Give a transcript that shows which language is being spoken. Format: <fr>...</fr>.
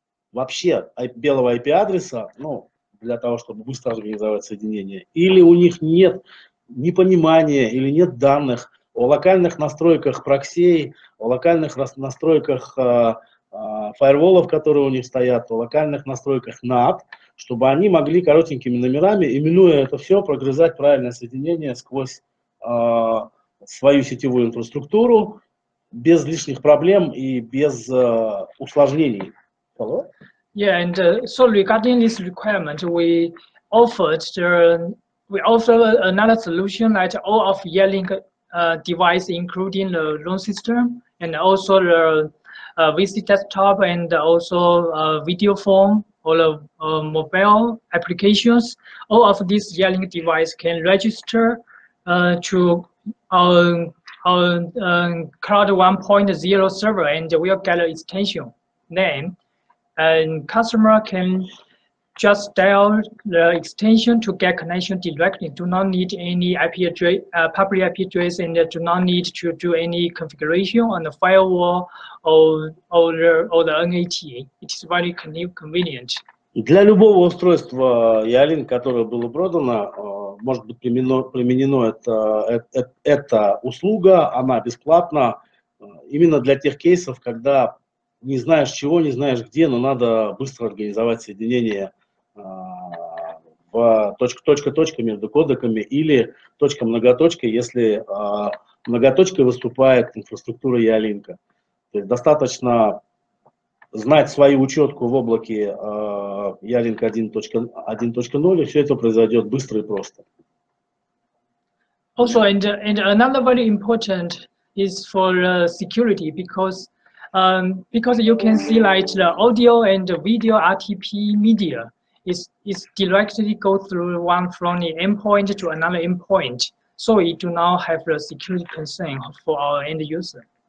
<ru>вообще белого IP адреса, ну для того, чтобы быстро организовать соединение, или у них нет непонимание или нет данных о локальных настройках проксей, о локальных настройках фаерволов, которые у них стоят, о локальных настройках NAT, чтобы они могли коротенькими номерами, именуя это все, прогрызать правильное соединение сквозь свою сетевую инфраструктуру без лишних проблем и без усложнений.</ru> <en>Hello? Yeah, and so regarding this requirement, we offer another solution like all of Yealink device, including the loan system and also the VC desktop and also video form or the mobile applications. All of these Yealink device can register to our Cloud 1.0 server and we'll get an extension name. And customer can just dial the extension to get connection directly. Do not need any IP address, public IP address, and do not need to do any configuration on the firewall or the NAT. It is very convenient.</en> <ru>Для любого устройства Yealink, которое было продано, может быть применено эта услуга. Она бесплатна именно для тех кейсов, когда не знаешь чего, не знаешь где, но надо быстро организовать соединение в точка-точка-точка между кодеками или точка-многоточка, если многоточкой выступает инфраструктура Yealink. То есть достаточно знать свою учетку в облаке Yealink 1.0, и все это произойдет быстро и просто.</ru> <en>Also, and another very important is for security, because because you can see like the audio and the video RTP media is directly go through one from the endpoint to another endpoint, so we do not have a security concern for our end user.</en>